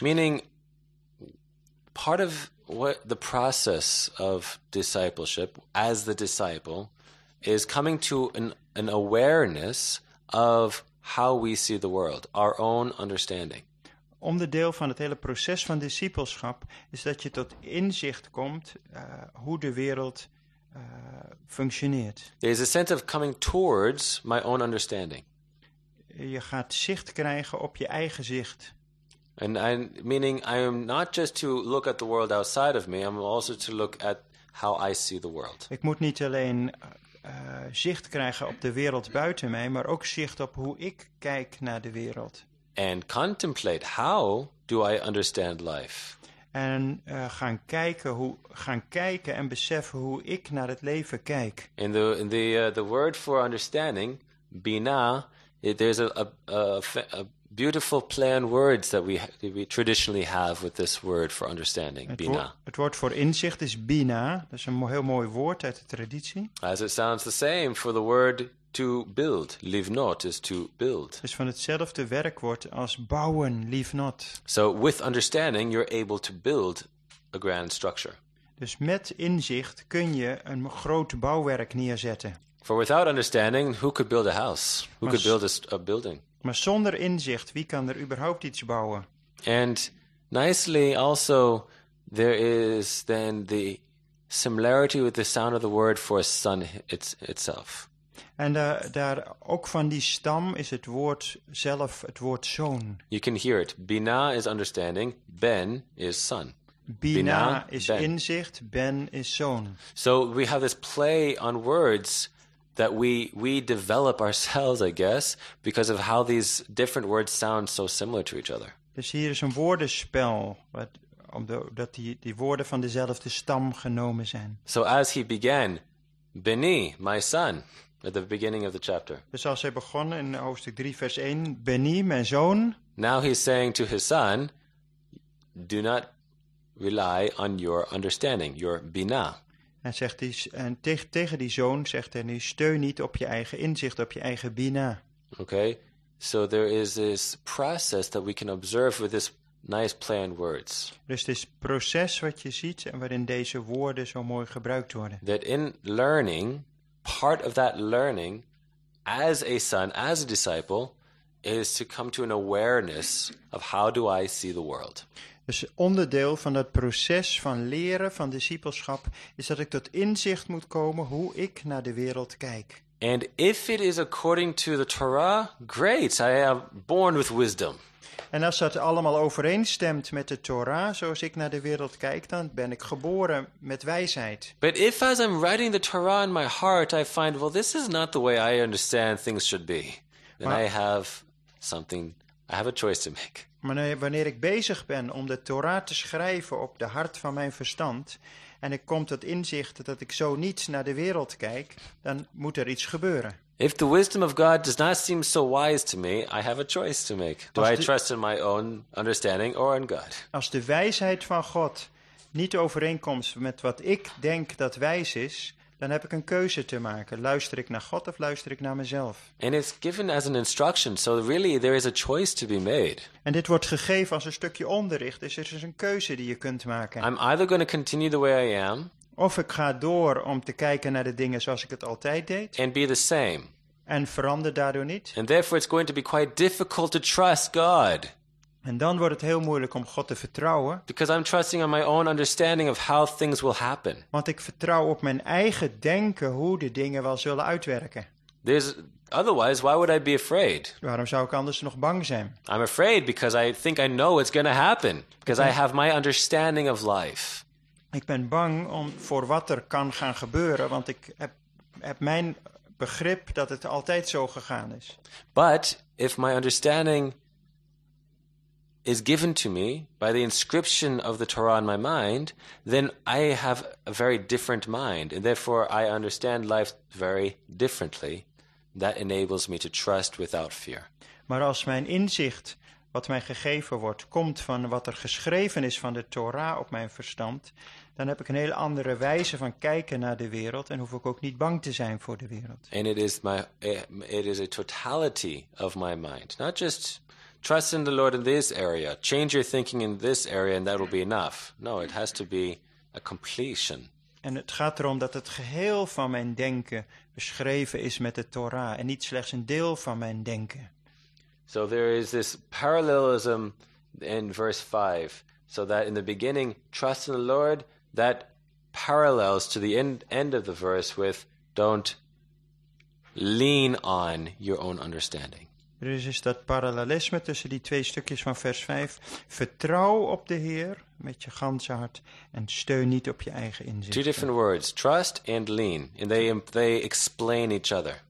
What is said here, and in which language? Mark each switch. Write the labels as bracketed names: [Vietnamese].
[English] Meaning, part of what the process of discipleship as the disciple is coming to an awareness of how we see the world, our own understanding. [Dutch] Onderdeel van het hele proces van discipelschap is dat je tot inzicht komt hoe de wereld functioneert. [English] There is a sense of coming towards my own understanding. [Dutch] Je gaat zicht krijgen op je eigen zicht. [English] And meaning I am not just to look at the world outside of me, I'm also to look at how I see the world. [Dutch] Ik moet niet alleen zicht krijgen op de wereld buiten mij, maar ook zicht op hoe ik kijk naar de wereld. [English] And contemplate how do I understand life? [Dutch] En gaan kijken en beseffen hoe ik naar het leven kijk. [English] In the word for understanding, bina, There's a beautiful plan words that we traditionally have with this word for understanding, bina. [Dutch] Het woord voor inzicht is bina. Dat is een heel mooi woord uit de traditie. [English] As it sounds the same for the word to build, livnot is to build. [Dutch] Is van hetzelfde werkwoord als bouwen, livnot. [English] So with understanding you're able to build a grand structure. [Dutch] Dus met inzicht kun je een groot bouwwerk neerzetten. [English] For without understanding, who could build a house? Who could build a building? [Dutch] Maar zonder inzicht, wie kan er überhaupt iets bouwen? [English] And nicely also, there is then the similarity with the sound of the word for sun itself. [Dutch] En daar ook van die stam is het woord zelf, het woord zoon. [English] You can hear it. Bina is understanding, ben is sun. [Dutch] Bina is ben. Inzicht, ben is zoon. [English] So we have this play on words that we develop ourselves, I guess, because of how these different words sound so similar to each other. [Dutch] Dus hier is een woordenspel, omdat die woorden van dezelfde stam genomen zijn. [English] So as he began, Beni, my son, at the beginning of the chapter. [Dutch] Dus als hij begon in hoofdstuk 3, vers 1, Beni, mijn zoon. [English] Now he's saying to his son, do not rely on your understanding, your bina. [Dutch] En zegt hij tegen die zoon zegt hij nu steun niet op je eigen inzicht, op je eigen bina. [English] Okay, so there is this process that we can observe with this nice play on words. [Dutch] Dus dit proces wat je ziet en waarin deze woorden zo mooi gebruikt worden. [English] That in learning, part of that learning, as a son, as a disciple, is to come to an awareness of how do I see the world. [Dutch] Dus onderdeel van dat proces van leren, van discipelschap, is dat ik tot inzicht moet komen hoe ik naar de wereld kijk. [English] And if it is according to the Torah, great, I am born with wisdom. [Dutch] En als dat allemaal overeenstemt met de Torah, zoals ik naar de wereld kijk, dan ben ik geboren met wijsheid. [English] But if as I'm writing the Torah in my heart, I find, well, this is not the way I understand things should be. Then I have something, I have a choice to make. [Dutch] Maar wanneer ik bezig ben om de Torah te schrijven op de hart van mijn verstand en ik kom tot inzicht dat ik zo niet naar de wereld kijk, dan moet er iets gebeuren. [English] If the wisdom of God does not seem so wise to me, I have a choice to make. Do I trust in my own understanding or in God? [Dutch] Als de wijsheid van God niet overeenkomt met wat ik denk dat wijs is, dan heb ik een keuze te maken. Luister ik naar God of luister ik naar mezelf? [English] And it's given as an instruction, so really there is a choice to be made. [Dutch] En dit wordt gegeven als een stukje onderricht, dus er is een keuze die je kunt maken. [English] I'm either going to continue the way I am. [Dutch] Of ik ga door om te kijken naar de dingen zoals ik het altijd deed. [English] And be the same. [Dutch] En verander daardoor niet. [English] And therefore it's going to be quite difficult to trust God. [Dutch] En dan wordt het heel moeilijk om God te vertrouwen. [English] Because I'm trusting on my own understanding of how things will happen. [Dutch] Want ik vertrouw op mijn eigen denken hoe de dingen wel zullen uitwerken. [English] Otherwise, why would I be afraid? [Dutch] Waarom zou ik anders nog bang zijn? [English] I'm afraid because I think I know it's going to happen. Because I have my understanding of life. [Dutch] Ik ben bang om voor wat er kan gaan gebeuren, want ik heb mijn begrip dat het altijd zo gegaan is. [English] But if my understanding is given to me by the inscription of the Torah in my mind, then I have a very different mind, and therefore I understand life very differently. That enables me to trust without fear. [Dutch] Maar als mijn inzicht, wat mij gegeven wordt, komt van wat er geschreven is van de Torah op mijn verstand, dan heb ik een heel andere wijze van kijken naar de wereld en hoef ik ook niet bang te zijn voor de wereld. [English] And it is a totality of my mind, not just trust in the Lord in this area. Change your thinking in this area and that will be enough. No, it has to be a completion. [Dutch] En het gaat erom dat het geheel van mijn denken beschreven is met de Torah en niet slechts een deel van mijn denken. [English] So there is this parallelism in verse 5. So that in the beginning, trust in the Lord, that parallels to the end of the verse with don't lean on your own understanding. [Dutch] Dus is dat parallelisme tussen die twee stukjes van vers 5. Vertrouw op de Heer met je ganse hart en steun niet op je eigen inzicht. [English] Two different words, trust and lean. And they explain each other.